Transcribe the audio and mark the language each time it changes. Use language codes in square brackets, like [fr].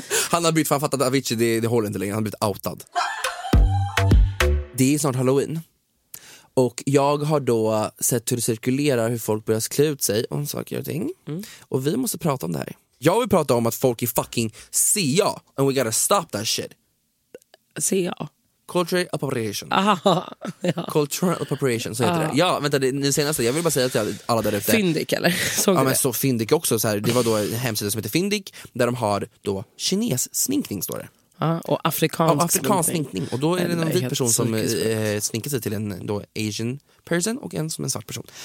[sv] Han har bytt för han fattat att Avicii, det håller inte längre. Han har blivit outad. Det är snart Halloween. Och jag har då sett hur det cirkulerar, hur folk börjar klä ut sig om saker och ting. Och vi måste prata om det här. Jag vill prata om att folk är fucking CIA. [en] And we gotta stop that shit. CIA. Cultural appropriation. Aha, cultural appropriation, [sv] så heter det. Ja, vänta, det är det senaste. Jag vill bara säga till alla där ute. Fyndik, eller? Såg ja, men det? Så Fyndik också. Så här, det var då en hemsida som heter Fyndik. Där de har då kines sminkning, står det. Och afrikansk, ja, afrikansk sminkning. Och då är det en vit person som sminkar sig till en då Asian person. Och en som en svart person.